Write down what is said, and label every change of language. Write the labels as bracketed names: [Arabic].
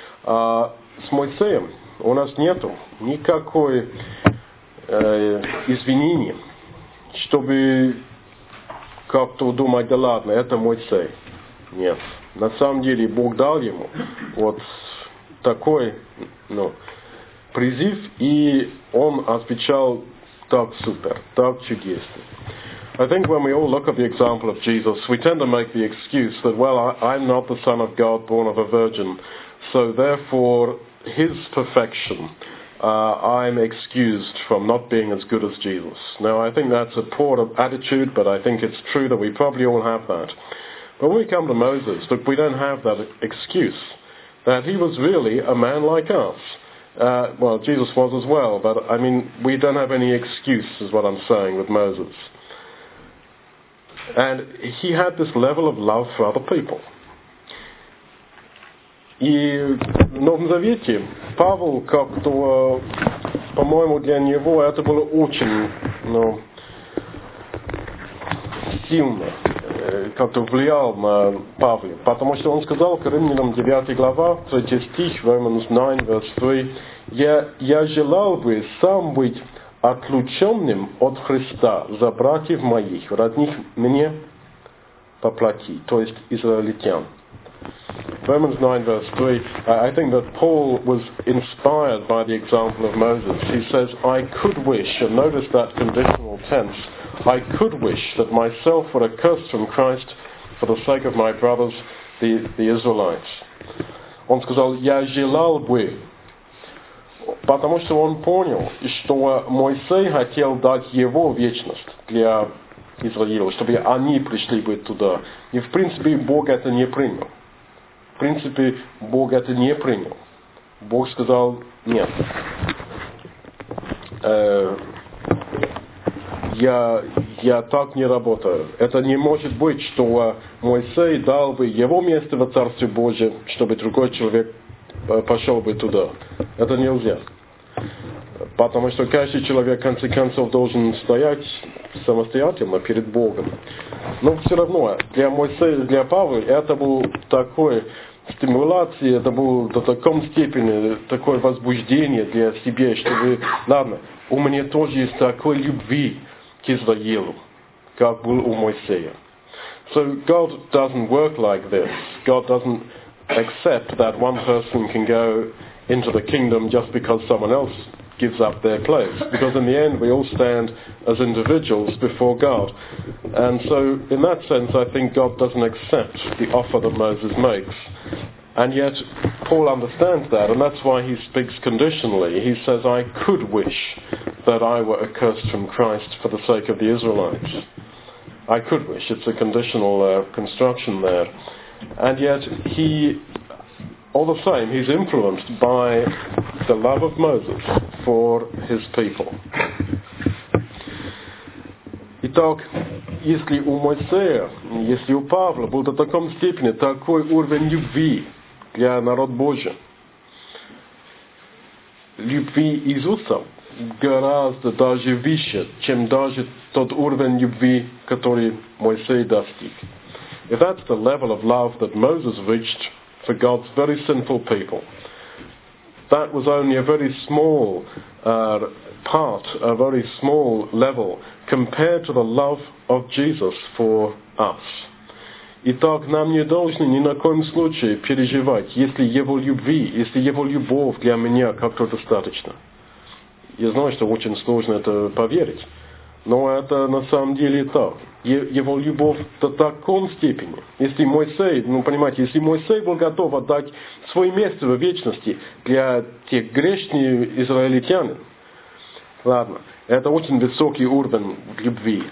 [Russian] А с Моисеем у нас нету никакой извинения, чтобы как-то думать, да ладно, это Моисей. Нет. На самом деле Бог дал ему вот такой, ну, призыв, и он отвечал так супер, так чудесно. [English] I think when we all look at the example of Jesus, we tend to make the excuse that, well, I'm not the Son of God born of a virgin, so therefore, his perfection, I'm excused from not being as good as Jesus. Now, I think that's a poor attitude, but I think it's true that we probably all have that. But when we come to Moses, that we don't have that excuse, that he was really a man like us. Well, Jesus was as well, but I mean, we don't have any excuse, is what I'm saying, with Moses. And he had this level of love for other people. [Russian] И в Новом Завете Павел как-то, по-моему, для него это было очень, ну, сильно, как-то влиял на Павла, потому что он сказал к Римлянам 9 глава, 3 стих, [English] Romans 9, verse 3, [Russian] «Я желал бы сам быть отлученным от Христа за братьев моих, родных мне по плоти», то есть израильтян. Romans 9 verse 3, I think that Paul was inspired by the example of Moses. He says, I could wish, and notice that conditional tense, I could wish that myself were accursed from Christ for the sake of my brothers, the Israelites. Он сказал, я желал бы, потому что он понял, что Моисей хотел дать его вечность для Израиля, чтобы они пришли бы туда. И в принципе Бог это не принял. В принципе, Бог это не принял. Бог сказал нет. Я так не работаю. Это не может быть, что Моисей дал бы его место во Царстве Божьем, чтобы другой человек пошел бы туда. Это нельзя. Потому что каждый человек, в конце концов, должен стоять самостоятельно перед Богом. Но все равно, для Моисея, для Павла, это был такой... стимуляции, это было до таком степени такое возбуждение для себя, чтобы, ладно, у меня тоже есть такой любви к Израилю, как был у Моисея. [English] So God doesn't work like this. God doesn't accept that one person can go into the kingdom just because someone else gives up their place. Because in the end, we all stand as individuals before God. And so, in that sense, I think God doesn't accept the offer that Moses makes. And yet, Paul understands that, and that's why he speaks conditionally. He says, I could wish that I were accursed from Christ for the sake of the Israelites. I could wish. It's a conditional construction there. And yet, he... all the same, he's influenced by the love of Moses for his people. [Russian] Итак, если у Моисея, если у Павла был до такой степени такой уровень любви для народа Божия, любви Иисуса гораздо даже выше, чем даже тот уровень любви, который Моисей достиг. If that's the level of love that Moses reached for God's very sinful people, that was only a very small part, a very small level, compared to the love of Jesus for us. Итак, нам не должны ни на коем случае переживать, если его любви, если его любовь для меня как-то достаточно. Я знаю, что очень сложно это поверить, но это на самом деле так. Его любовь до такой степени. Если Моисей, ну понимаете, если Моисей был готов отдать свое место в вечности для тех грешных израильтян, ладно, это очень высокий уровень любви.